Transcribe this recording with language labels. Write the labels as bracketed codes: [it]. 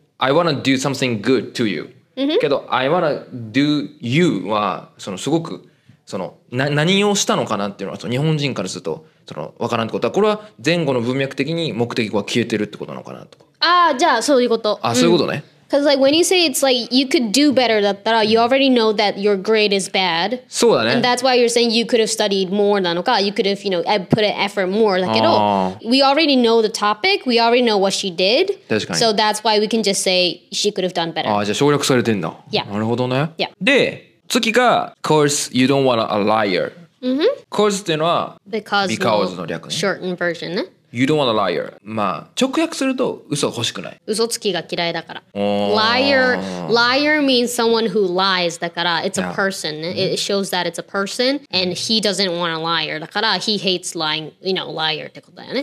[en] I wanna do something good to you、 mm-hmm. [ja] けど [en] I wanna do you [ja] はそのすごくそのな何をしたのかなっていうのはその日本人からするとそのわからんってことはこれは前後の文脈的に目的が消えてるってことなのかなとかあじゃあそういうことあそういうことね、うん [en] Cause like when you say it's like you could do better, [ja] だったら [en] you already know that your grade is bad. [ja] そうだね。 [en] And that's why you're saying you could have studied more [ja] なのか [en] you could have, you know, put an effort more. [ja] だけど [en] we already know the topic, we already know what she did. [ja] 確かに。 [en] So that's why we can just say she could have done better. [ja] ああ、じゃあ省略されてんだ。 [en] Yeah. [ja] なるほどね。 [en] Yeah. [ja] で、次が [en] Cause you don't want a liar. Mm-hmm. [ja] Cause っていうのは [en] Because [ja] の略ね。 [en] Shortened version ね。 You don't want a liar. [ja] まあ直訳すると嘘欲しくない。嘘つきが嫌いだから。 [en] Liar means someone who lies. [ja] だから [en] it's a person. It shows that it's a person. And he doesn't want a liar. [ja] だから [en] he hates lying. You know, liar [ja] ってことだよね。